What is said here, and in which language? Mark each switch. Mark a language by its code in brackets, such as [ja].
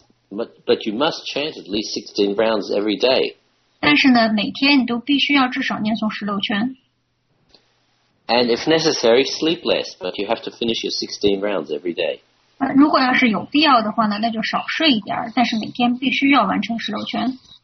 [en] But you must chant at least 16 rounds every day. [zh] 但是呢，每天你都必须要至少念诵16圈。 [en] And if necessary, sleep less, but you have to finish your 16 rounds every day. [zh] 如果要是有必要的话呢，那就少睡一点，但是每天必须要完成16圈。